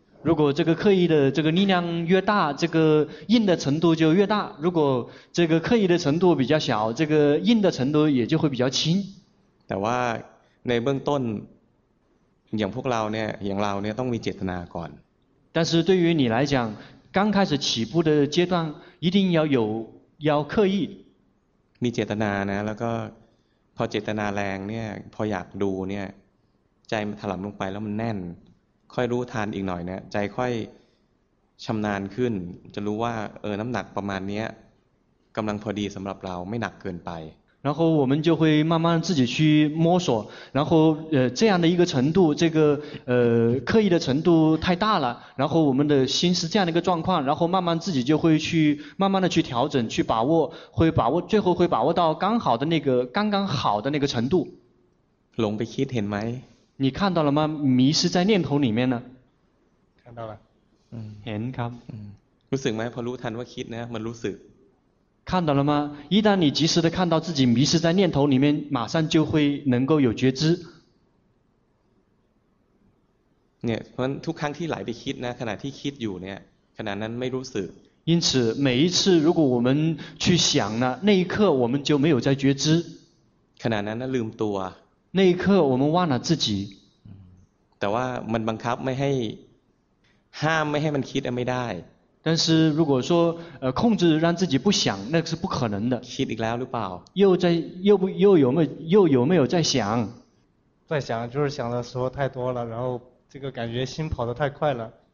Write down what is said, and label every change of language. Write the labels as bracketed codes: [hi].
[zh] 如果这个刻意的这个力量越大，这个硬的程度就越大；如果这个刻意的程度比较小，这个硬的程度也就会比较轻。 [th] แต่ว่าในเบื้องต้นอย่างพวกเราเนี่ยอย่างเราเนี่ยต้องมีเจตนาก่อน。 [zh] 但是对于你来讲，刚开始起步的阶段，一定要有要刻意。 [th] มีเจตนานะแล้วก็พอเจตนาแรงเนี่ยพออยากดูเนี่ยใจมันถล่มลงไปแล้วมันแน่นค่อยรู้ทานอีกหน่อยเนี่ยใจค่อยชำนาญขึ้นจะรู้ว่าน้ำหนักประมาณนี้กำลังพอดีสำหรับเราไม่หนักเกินไป [zh] 然后我们就会慢慢自己去摸索然后这样的一个程度这个刻意的程度太大了然后我们的心是这样的一个状况然后慢慢自己就会去慢慢的去调整去把握会把握最后会把握到刚好的那个刚刚好的那个程度 [th] ลงไปคิดเห็นไหม [zh] 你看到了吗？迷失在念头里面呢？看到了。 [th] เห็นครับ。 รู้สึกไหมพอรู้ทันว่าคิดนะมันรู้สึก。 [zh] 看到了吗？一旦你及时的看到自己迷失在念头里面，马上就会能够有觉知。 [th] เนี่ยเพราะทุกครั้งที่ไหลไปคิดนะขณะที่คิดอยู่เนี่ยขณะนั้นไม่รู้สึก。 [zh] 因此，每一次如果我们去想呢，那一刻我们就没有在觉知。 [th] ขณะนั้นลืมตัว。 [zh] 那一刻我们忘了自己 [th] แต่ว่ามันบังคับไม่ให้ห้ามไม่ให้มันคิดไม่ได้ [zh] 但是如果说控制让自己不想那是不可能的 [th] คิดอีกแล้วหรือเปล่า [zh] 又有没有在想在想就是想的时候太多了然后这个感觉心跑得太快了